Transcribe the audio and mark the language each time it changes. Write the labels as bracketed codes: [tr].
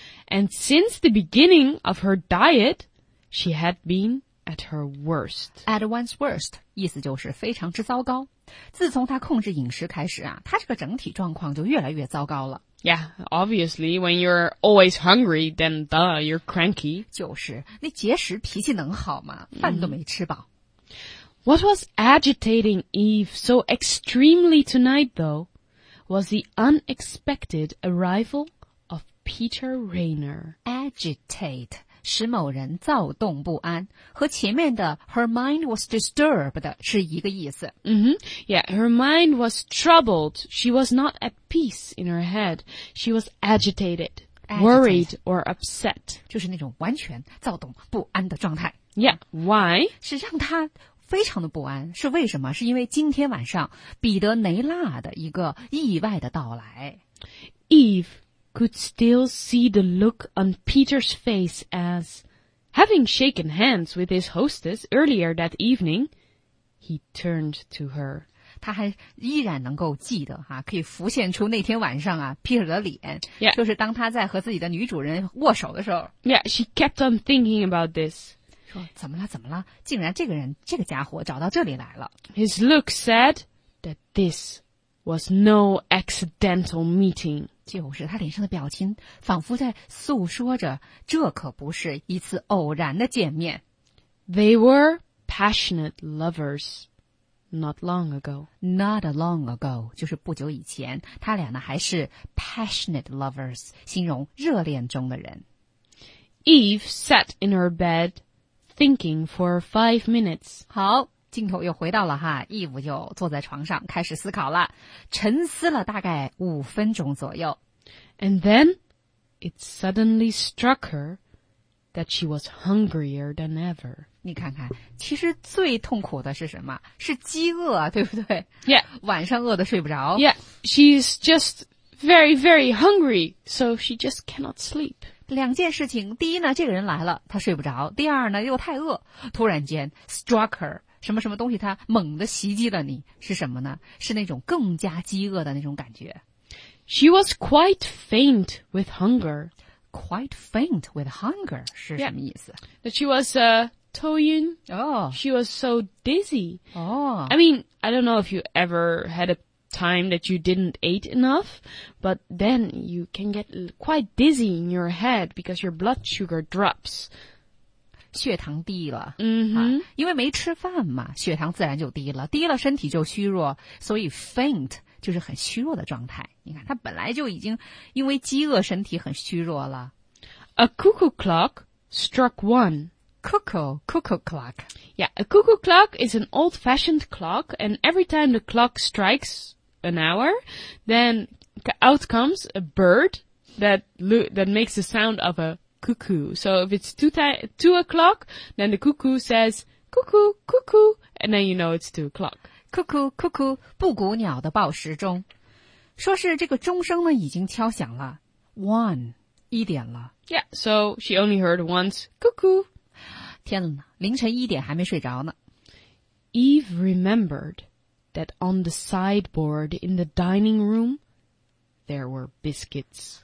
[en] And since the beginning of her diet, she had been at her worst. At one's worst. [zh] 意思就是非常之糟糕。自从他控制饮食开始啊，他这个整体状况就越来越糟糕了。 [en] Yeah, obviously, when you're always hungry, then duh, you're cranky. [zh] 就是，那节食脾气能好吗？饭都没吃饱。 [en] What was agitating Eve so extremely tonight, though, was the unexpected arrival of Peter Rayner. [zh] Agitate. 使某人躁动不安和前面的 [en] her mind was disturbed [zh] 是一个意思、 [en] mm-hmm. Yeah, her mind was troubled. She was not at peace in her head. She was agitated, worried or upset. [zh] 就是那种完全躁动不安的状态。 [en] Yeah, why? [zh] 是让她非常的不安，是为什么？是因为今天晚上彼得雷纳的一个意外的到来。 [en] EveCould still see the look on Peter's face as, having shaken hands with his hostess earlier that evening, he turned to her. [zh] 他还依然能够记得、啊、可以浮现出那天晚上、啊、Peter 的脸、 yeah. 就是当他在和自己的女主人握手的时候。 [en] Yeah, she kept on thinking about this. [zh] 说怎么了怎么了竟然这个人这个家伙找到这里来了。 [en] His look said that this was no accidental meeting. [zh] 就是他脸上的表情仿佛在诉说着这可不是一次偶然的见面。 [en] They were passionate lovers not long ago. Not long ago, [zh] 就是不久以前他俩呢还是 [en] passionate lovers, [zh] 形容热恋中的人。 [en] Eve sat in her bed thinking for 5 minutes. [zh] 好镜头又回到了哈 ,Eve 就坐在床上开始思考了沉思了大概5分钟左右。 [en] And then, it suddenly struck her that she was hungrier than ever. [zh] 你看看其实最痛苦的是什么是饥饿对不对 ?Yeah. 晚上饿得睡不着。 [en] Yeah, she's just very, very hungry, so she just cannot sleep. [zh] 两件事情第一呢这个人来了他睡不着第二呢又太饿突然间 [en] struck her, [zh] 什么什么东西他猛地袭击了你是什么呢是那种更加饥饿的那种感觉。 [en] She was quite faint with hunger. Quite faint with hunger, [zh] 是什么意思 [en] yeah, that she was [zh] 头晕、 oh. [en] She was so dizzy.、 Oh. I mean, I don't know if you ever had a time that you didn't eat enough, but then you can get quite dizzy in your head because your blood sugar drops. [zh] 血糖低了、 mm-hmm. 啊、因为没吃饭嘛血糖自然就低了低了身体就虚弱所以 faint 就是很虚弱的状态你看他本来就已经因为饥饿身体很虚弱了。 [en] A cuckoo clock struck one. Cuckoo clock. Yeah, a cuckoo clock is an old-fashioned clock, and every time the clock strikes an hour, then out comes a bird that makes the sound of a cuckoo. So if it's two o'clock, then the cuckoo says, cuckoo, cuckoo, and then you know it's 2 o'clock. Cuckoo, cuckoo, [zh] 布谷鸟的报时钟。说是这个钟声呢已经敲响了 ,one, 一点了。 [en] Yeah, so she only heard once, cuckoo. [zh] 天哪，凌晨一点还没睡着呢。 [en] Eve remembered that on the sideboard in the dining room, there were biscuits.